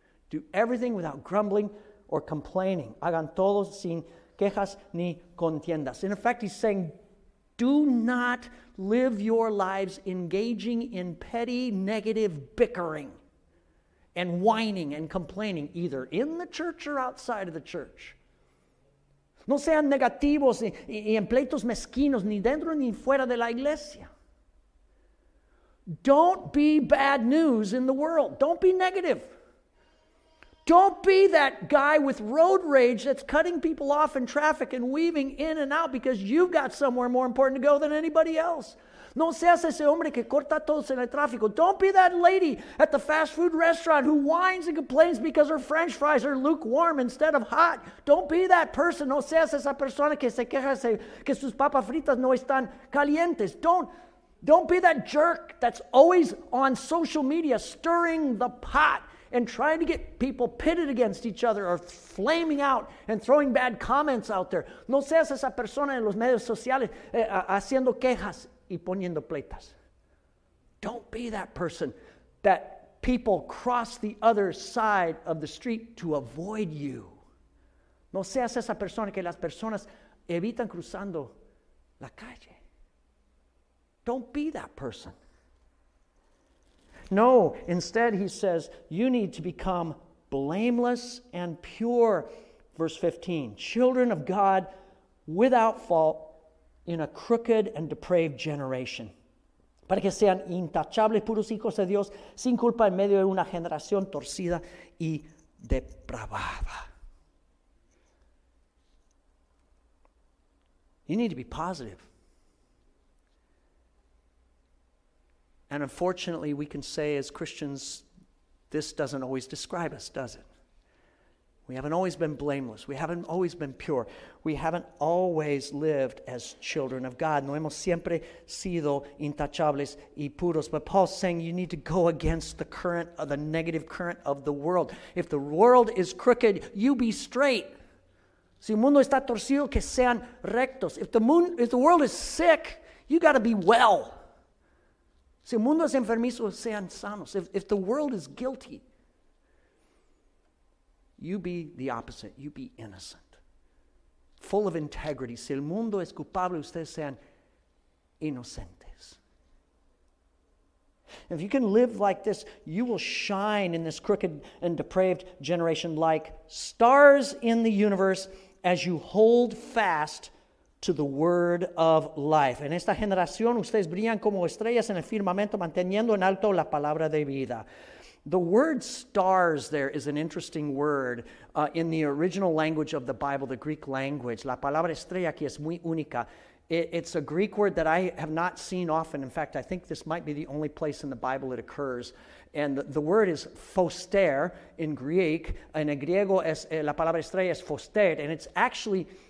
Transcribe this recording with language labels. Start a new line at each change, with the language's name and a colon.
English: Do everything without grumbling or complaining.
Spanish: Hagan todo sin quejas ni contiendas.
English: In effect, he's saying, do not live your lives engaging in petty, negative bickering and whining and complaining, either in the church or outside of the church.
Spanish: No sean negativos y en pleitos mezquinos, ni dentro ni fuera de la iglesia.
English: Don't be bad news in the world. Don't be negative. Don't be that guy with road rage that's cutting people off in traffic and weaving in and out because you've got somewhere more important to go than anybody else.
Spanish: No seas ese hombre que corta todos en el tráfico.
English: Don't be that lady at the fast food restaurant who whines and complains because her french fries are lukewarm instead of hot. Don't be that person.
Spanish: No seas esa persona que se queja que sus papas fritas no están calientes.
English: Don't be that jerk that's always on social media stirring the pot and trying to get people pitted against each other or flaming out and throwing bad comments out there.
Spanish: No seas esa persona en los medios sociales haciendo quejas y poniendo pleitas.
English: Don't be that person that people cross the other side of the street to avoid you.
Spanish: No seas esa persona que las personas evitan cruzando la calle.
English: Don't be that person. No, instead, he says, you need to become blameless and pure. Verse 15, children of God without fault in a crooked and depraved generation.
Spanish: Para que sean intachables, puros hijos de Dios, sin culpa en medio de una generación torcida y depravada.
English: You need to be positive. And unfortunately, we can say as Christians, this doesn't always describe us, does it? We haven't always been blameless. We haven't always been pure. We haven't always lived as children of God.
Spanish: No hemos siempre sido intachables y puros.
English: But Paul's saying you need to go against the current, the negative current of the world. If the world is crooked, you be straight.
Spanish: Si el mundo está torcido, que sean rectos.
English: If the world is sick, you got to be well.
Spanish: Si el mundo es enfermizo, sean sanos.
English: If the world is guilty, you be the opposite. You be innocent. Full of integrity.
Spanish: Si el mundo es culpable, ustedes sean inocentes.
English: If you can live like this, you will shine in this crooked and depraved generation like stars in the universe as you hold fast to the word of life.
Spanish: En esta generación, ustedes brillan como estrellas en el firmamento, manteniendo en alto la palabra de vida.
English: The word stars there is an interesting word in the original language of the Bible, the Greek language.
Spanish: La palabra estrella aquí es muy única.
English: It's a Greek word that I have not seen often. In fact, I think this might be the only place in the Bible it occurs. And the word is phoster in Greek.
Spanish: En el griego, la palabra estrella es phoster.
English: And it's actually